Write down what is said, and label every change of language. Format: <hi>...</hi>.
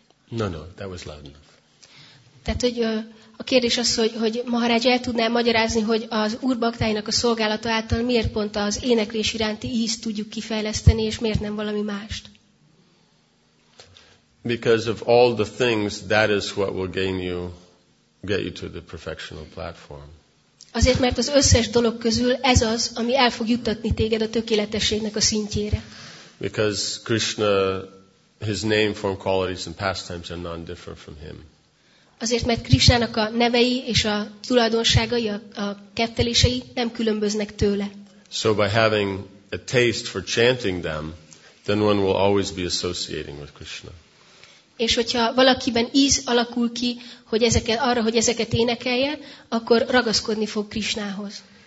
<en>No, that was loud enough.</en> <hu>Tehát, hogy a kérdés az, hogy Maharaj el tudná magyarázni, hogy az Úr Baktáinak a szolgálata által miért pont az éneklés iránti ízt tudjuk kifejleszteni, és miért nem valami mást?</hu> <en>Because of all the things, that is what will get you to the perfectional platform.</en> <hu>Azért, mert az összes dolog közül ez az, ami el fog juttatni téged a tökéletességnek a szintjére.</hu> <en>Because Krishna, his name, form, qualities and pastimes are none different from him.</en> <hu>Azért, mert Krisnának a nevei és a tulajdonságai, a kettelései nem különböznek tőle.</hu> <en>So by having a taste for chanting them, then one will always be associating with Krishna.</en> <hu>És hogyha valakiben íz alakul ki, hogy ezeket énekelje, akkor ragaszkodni fog Krisnához.</hu>